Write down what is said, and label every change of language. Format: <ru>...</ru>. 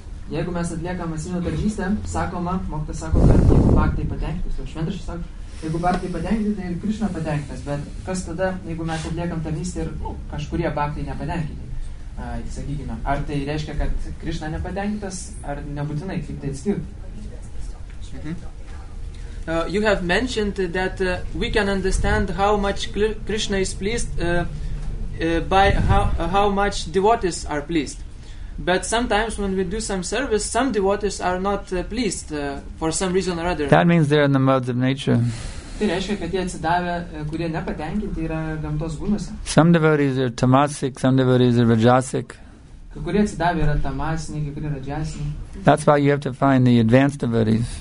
<lt>Jeigu mes atliekam asmeninę tarnystę, sakoma, mokytas sako, kad jeigu baktai patenkintas, o šventraštis sako, jeigu baktai patenkintas, tai ir Krišna patenkintas. Bet kas tada, jeigu mes atliekam tarnystę ir kažkurie baktai nepatenkinti, sakykime, ar tai reiškia, kad Krišna nepatenkintas, ar nebūtinai, kaip tai atskirti?</lt> <en>You have mentioned that we can understand how much Krishna is pleased by how much devotees are pleased. But sometimes when we do some service, some devotees are not pleased for some reason or other. That means they're in the modes of nature.</en> <lt>Tai reiškia, kad jie atsidavę, kurie nepatenkinti, yra gamtos būnuose.</lt> <en>Some devotees are tamasic, some devotees are rajasic. That's why you have to find the advanced devotees.</en>